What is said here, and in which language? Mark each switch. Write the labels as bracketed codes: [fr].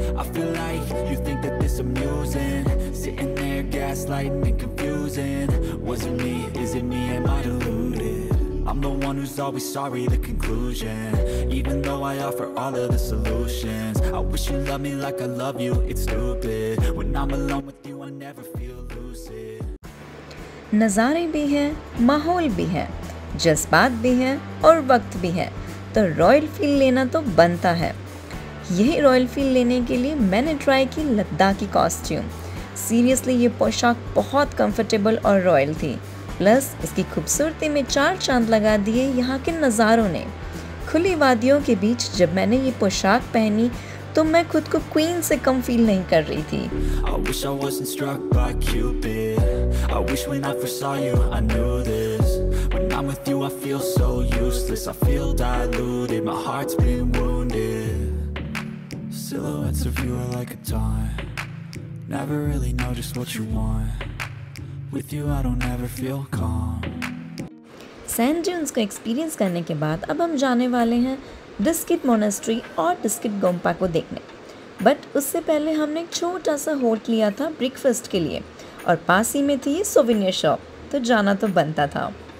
[en] I feel like you think that this amusing. Sitting there gaslighting and confusing. Was it me? Is it me? Am I deluded? I'm the one who's always sorry, the conclusion. Even though I offer all of the solutions. I wish you loved me like I love you, it's stupid. When I'm alone with you I never feel lucid. [hi] नज़ारे भी हैं, माहौल भी है, जज्बात भी हैं और वक्त भी है, तो रॉयल फील लेना तो बनता है। यही रॉयल फील लेने के लिए मैंने ट्राई की लद्दाख की कॉस्ट्यूम। सीरियसली ये पोशाक बहुत कंफर्टेबल और रॉयल थी, प्लस इसकी खूबसूरती में 4 चांद लगा दिए यहाँ के नज़ारों ने। खुली वादियों के बीच जब मैंने ये पोशाक पहनी तो मैं खुद को क्वीन से कम फील नहीं कर रही थी। [en] I wish I wasn't struck by Cupid. I wish when I first saw you I knew this. When I'm with you I feel so useless. I feel diluted, my heart's been wounded. Silhouettes of you are like a taunt. Never really know just what you want. With you I don't ever feel calm. [hi] Sand dunes को experience करने के बाद अब हम जाने वाले हैं Diskit monastery और डिस्किट गोम्पा को देखने। बट उससे पहले हमने एक छोटा सा होल्ट लिया था ब्रेकफास्ट के लिए, और पास ही में थी सोविनियर शॉप, तो जाना तो बनता था।